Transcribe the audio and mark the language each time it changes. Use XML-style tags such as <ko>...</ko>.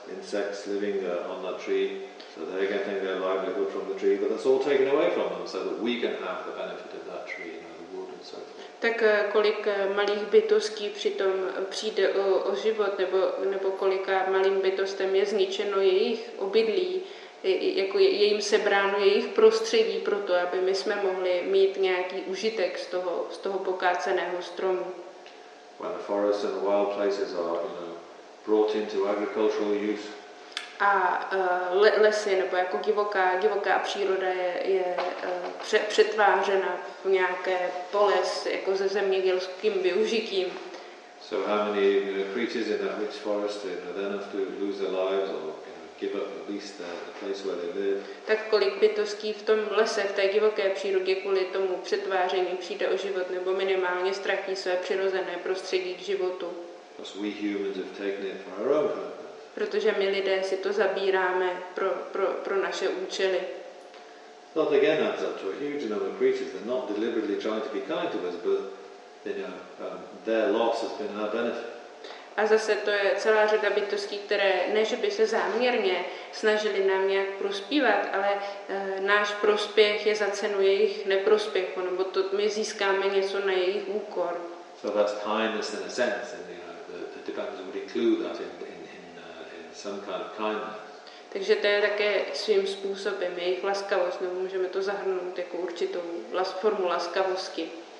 <en>Insects living on that tree, so they're getting their livelihood from the tree, but that's all taken away from them, so that we can have the benefit of that tree.</en> <cs>Tak kolik malých bytostí přitom přijde o život, nebo kolika malým bytostem je zničeno jejich obydlí, je jim sebráno jejich prostředí pro to, aby my jsme mohli mít nějaký užitek z toho pokáceného stromu.</cs> <en>When the forests and the wild places are, you know, brought into agricultural use.</en> <cs>A lesy nebo jako divoká příroda je přetvářena v nějaké pole jako se zemědělským využitím.</cs> <en>So how many creatures in that rich forest are then have to lose their lives or give up at least the place where they live?</en> <cs>Tak kolik bytostí v tom lese, v té divoké přírodě kvůli tomu přetváření přijde o život nebo minimálně ztratí své přirozené prostředí k životu?</cs> <en>Because we humans have taken it for our own purpose.</en> <cs>Protože my lidé si to zabíráme pro naše účely.</cs> <en>That again adds up to a huge number of creatures. They're not deliberately trying to be kind to us, but you know, their loss has been our benefit.</en> <cs>A zase to je celá řada bytostí, které ne, že by se záměrně snažili nám nějak prospívat, ale náš prospěch je za cenu jejich neprospěchu, nebo to my získáme něco na jejich úkor.</cs> <en>So that's kindness in a sense, and you know, the Tibetans would include that in some kind of kindness.</en> <cs>Takže to je také svým způsobem jejich laskavost, nebo můžeme to zahrnout jako určitou formu laskavosti.</cs>